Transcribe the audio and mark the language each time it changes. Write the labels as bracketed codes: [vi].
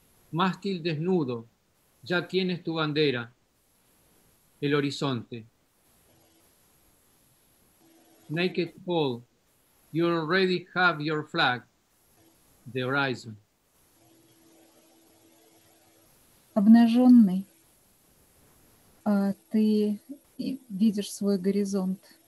[es] Mástil desnudo, ya tienes tu bandera, el horizonte. [en] Naked pole, you already have your flag, the horizon. [ru] Обнаженный, ты видишь свой горизонт.